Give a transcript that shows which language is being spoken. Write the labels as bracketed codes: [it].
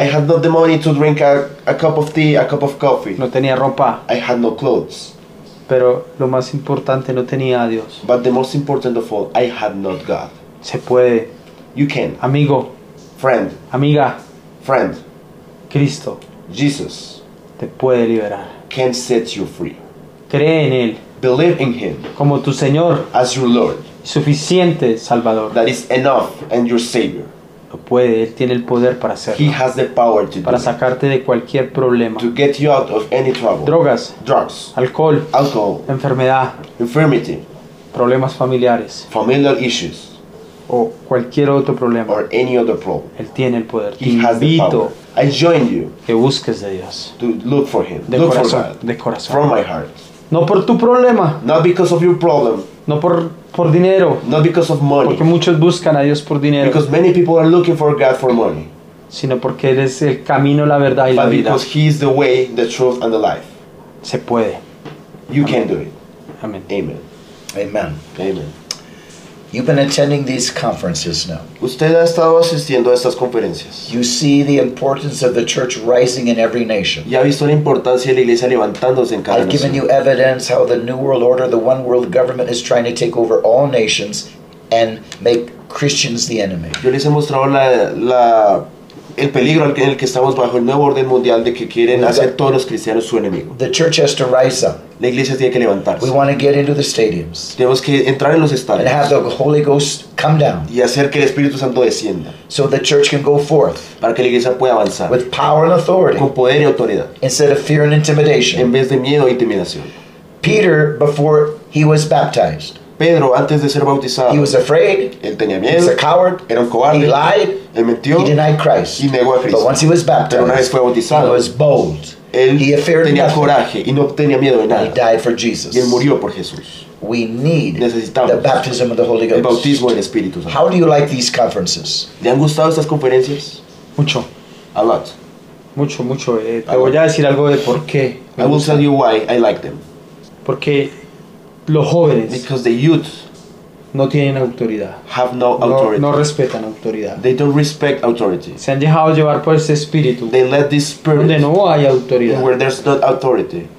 [en] I had not the money to drink a cup of tea, a cup of coffee. [es] No tenía ropa. [en] I had no clothes. [es] Pero lo más importante, no tenía a Dios. [en] But the most important of all, I had not God. [es] Se puede. [en] You can. [es] Amigo. [en] Friend. [es] Amiga. [en] Friend. [es] Cristo. [en] Jesus. [es] Te puede liberar. [en] Can set you free. [es] Cree en él. [en] Believe in him. [es] Como tu Señor. [en] As your Lord. [es] Suficiente Salvador. [en] That is enough and your Savior. [es] Lo puede, él tiene el poder para hacerlo. [en] He has the power to do. [es] Para sacarte de cualquier problema. [en] To get you out of any trouble. [es] Drogas. [en] Drugs. [es] Alcohol. [en] Alcohol. [es] Enfermedad. [en] Infirmity. [es] Problemas familiares. [en] Familiar issues. [es] O cualquier otro problema. [en] Or any other problem. [es] Él tiene el poder. [en] He has the power. I join you. [es] Que busques de Dios. [en] To look for him. [es] De [en] look [es] corazón. [en] For God. [es] De corazón. [en] From my heart. [es] No por tu problema. [en] Not because of your problem. [es] No por dinero. [en] Not because of money. [es] Porque muchos buscan a Dios por dinero. [en] Because many people are looking for God for money. [es] Sino porque él es el camino, la verdad y [en] but [es] la vida. [en] But because he is the way, the truth and the life. [es] Se puede. [en] You Amen. Can do it. Amen. Amen. Amen. Amen. You've been attending these conferences now. [es] Usted ha estado asistiendo a estas conferencias. [en] You see the importance of the church rising in every nation. [es] Ya ha visto la importancia de la iglesia levantándose en cada nación. [en] I've given you evidence how the New World Order, the One World Government, is trying to take over all nations and make Christians the enemy. [es] Yo les he mostrado el peligro en el que estamos bajo el nuevo orden mundial de que quieren hacer todos los cristianos su enemigo. [en] The church has to rise up. [es] La iglesia tiene que levantarse. [en] We want to get into the stadiums. [es] Tenemos que entrar en los estadios. [en] And have the Holy Ghost come down. [es] Y hacer que el Espíritu Santo descienda. [en] So the church can go forth. [es] Para que la iglesia pueda avanzar. [en] With power and authority. [es] Con poder y autoridad. [en] Instead of fear and intimidation. [es] En vez de miedo e intimidación. [en] Peter, before he was baptized. [es] Pedro, antes de ser bautizado, [en] he was afraid. [es] Él tenía miedo. [en] He was a coward. [es] Era un cobarde. [en] He lied. [es] Él mintió. [en] He denied Christ. [es] Y negó a Cristo. [en] But once he was baptized, [es] pero una vez fue bautizado, [en] he was bold. [es] Él [en] he feared [es] tenía [en] nothing. [es] Coraje y no tenía miedo de nada. [en] He died for Jesus. [es] Y él murió por Jesús. [en] We need [es] necesitamos [en] the baptism of the Holy Ghost. [es] El bautismo del Espíritu Santo. [en] How do you like these conferences? [es] ¿Le han gustado estas conferencias? Mucho. [en] A lot. [es] Mucho. Te voy a decir algo de por qué. [en] I will tell you why I like them. [es] Porque los jóvenes, [en] because the youth, [es] no tienen autoridad. [en] Have no authority. [es] No respetan autoridad. [en] They don't respect authority. [es] Se han dejado llevar por ese espíritu. [en] They let this spirit. [es] Donde no hay autoridad. [en] Where there's not authority.